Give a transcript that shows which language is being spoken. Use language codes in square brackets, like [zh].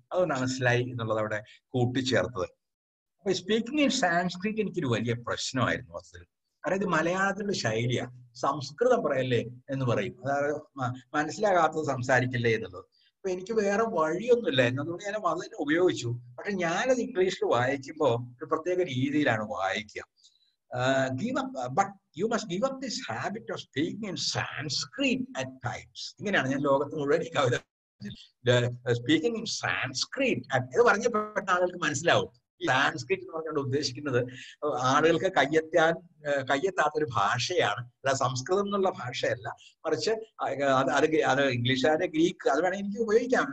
[ml] അതുകൊണ്ടാണ് സ്ലൈ എന്നുള്ളത് അവിടെ കൂട്ടിച്ചേർത്തത്. അപ്പൊ [en] speaking in Sanskrit [ml] എനിക്കൊരു വലിയ പ്രശ്നമായിരുന്നു അത്. അതായത് മലയാളത്തിലുള്ള ശൈലിയാ, സംസ്കൃതം പറയല്ലേ എന്ന് പറയും, അതായത് മനസ്സിലാകാത്തത് സംസാരിക്കില്ലേ എന്നുള്ളത്. അപ്പൊ എനിക്ക് വേറെ വഴിയൊന്നുമില്ല എന്നതുകൊണ്ട് ഞാൻ അത് തന്നെ ഉപയോഗിച്ചു. പക്ഷെ ഞാനത് ഇംഗ്ലീഷിൽ വായിക്കുമ്പോൾ ഒരു പ്രത്യേക രീതിയിലാണ് വായിക്കുക. [en] Give up this habit of speaking in Sanskrit at times. [ml] ഇങ്ങനെയാണ് ഞാൻ ലോകത്ത് മുഴുവൻ ഈ കവിത [en] speaking in Sanskrit [ml] എന്ന് പറഞ്ഞപ്പെട്ട ആളുകൾക്ക് മനസ്സിലാവും. സാൻസ്ക്രിറ്റ് എന്ന് പറഞ്ഞുകൊണ്ട് ഉദ്ദേശിക്കുന്നത് ആളുകൾക്ക് കയ്യെത്താത്തൊരു ഭാഷയാണ്, അല്ല സംസ്കൃതം എന്നുള്ള ഭാഷയല്ല, മറിച്ച് അത് ഇംഗ്ലീഷുകാരെ ഗ്രീക്ക്, അത് വേണമെങ്കിൽ എനിക്ക് ഉപയോഗിക്കാം.